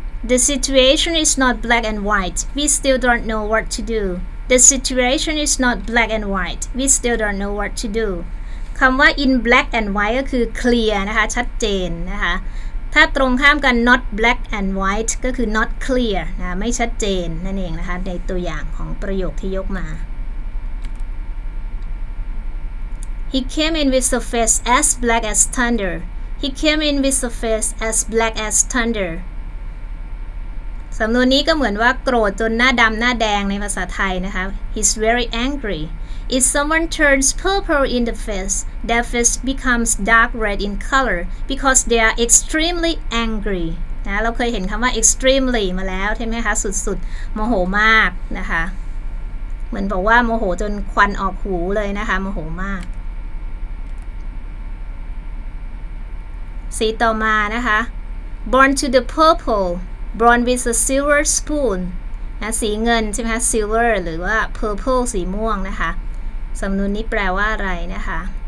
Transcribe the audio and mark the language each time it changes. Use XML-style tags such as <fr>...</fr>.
<en>The situation is not black and white we still don't know what to do The situation is not black and white we still don't know what to do คำว่า in black and white ก็คือ clear</en> <th>นะคะชัดเจนนะคะ ถ้าตรงข้ามกัน not black and white ก็คือ not clear นะไม่ชัดเจนนั่นเองนะคะในตัวอย่างของประโยคที่ยกมา</th> <en>He came in with a face as black as thunder. He came in with a face as black as thunder.</en> <th>สำนวนนี้ก็เหมือนว่าโกรธจนหน้าดำหน้าแดงในภาษาไทยนะคะ</th> <en>He's very angry. If someone turns purple in the face, their face becomes dark red in color because they are extremely angry.</en> <th>นะเราเคยเห็นคำว่า extremely มาแล้วใช่ไหมคะสุดๆโมโหมากนะคะเหมือนบอกว่าโมโหจนควันออกหูเลยนะคะโมโหมากสีต่อมานะคะ born to the purple born with a silver spoon นะสีเงินใช่ไหมคะ silver หรือว่า purple สีม่วงนะคะสำนวนนี้แปลว่าอะไรนะคะ</th>